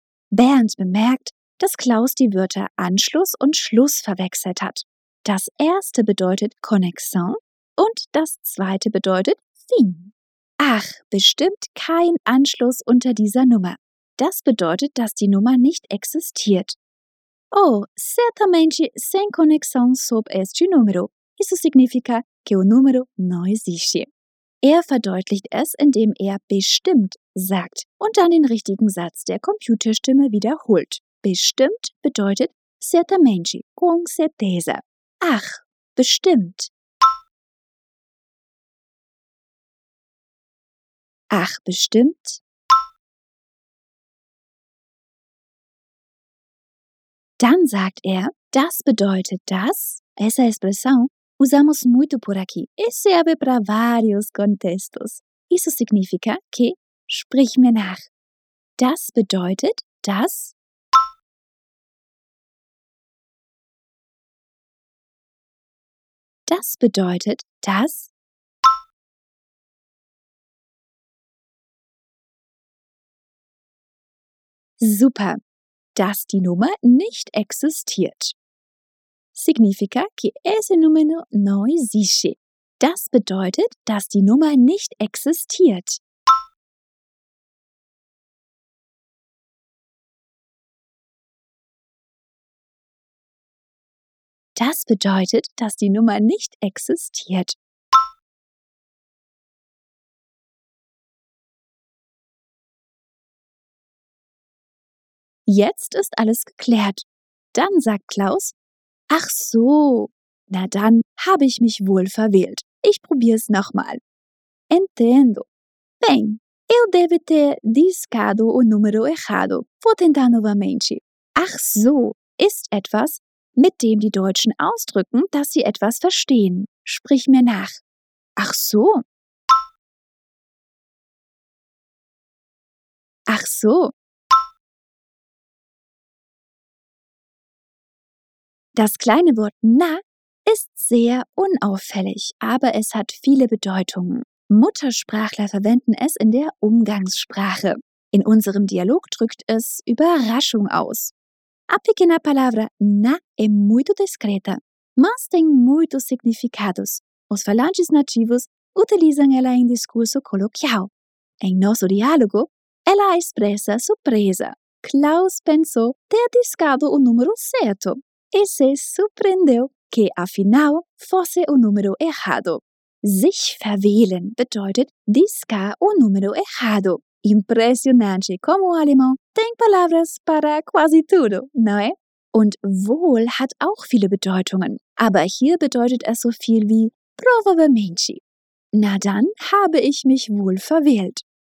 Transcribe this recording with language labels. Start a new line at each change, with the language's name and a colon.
German: Bernd bemerkt, dass Klaus die Wörter Anschluss und Schluss verwechselt hat. Das erste bedeutet Connexion und das zweite bedeutet Fin. Ach, bestimmt kein Anschluss unter dieser Nummer. Das bedeutet, dass die Nummer nicht existiert.
Portuguese: Oh, certamente sem conexão sob este número. Isso significa que o número não existe.
German: Er verdeutlicht es, indem er bestimmt sagt und dann den richtigen Satz der Computerstimme wiederholt. Bestimmt bedeutet
Portuguese: certamente, com certeza.
German: Ach, bestimmt. Ach, bestimmt. Dann sagt er, das bedeutet das.
Portuguese: Essa expressão usamos muito por aqui e serve para vários contextos. Isso significa que,
German: sprich mir nach. Das bedeutet das. Das bedeutet das. Super, dass die Nummer nicht existiert.
Portuguese: Significa que esse número não existe.
German: Das bedeutet, dass die Nummer nicht existiert. Das bedeutet, dass die Nummer nicht existiert. Jetzt ist alles geklärt. Dann sagt Klaus, ach so, na dann habe ich mich wohl verwählt. Ich probier's nochmal.
Portuguese: Entendo. Bem, eu devo ter discado o número errado. Vou tentar novamente.
German: Ach so, ist etwas, mit dem die Deutschen ausdrücken, dass sie etwas verstehen. Sprich mir nach. Ach so. Ach so. Das kleine Wort na ist sehr unauffällig, aber es hat viele Bedeutungen. Muttersprachler verwenden es in der Umgangssprache. In unserem Dialog drückt es Überraschung aus.
Portuguese: A pequena palavra na é muito discreta, mas tem muitos significados. Os falantes nativos utilizam ela em discurso coloquial. Em nosso diálogo, ela expressa surpresa. Klaus pensou ter discado o número certo. E se surpreendeu que afinal fosse o número errado.
German: Sich verwählen bedeutet
Portuguese: discar o número errado. Impressionante como o alemão tem palavras para quasi tudo, não é?
German: Und wohl hat auch viele Bedeutungen. Aber hier bedeutet es so viel wie Provove menci. Na dann habe ich mich wohl verwählt.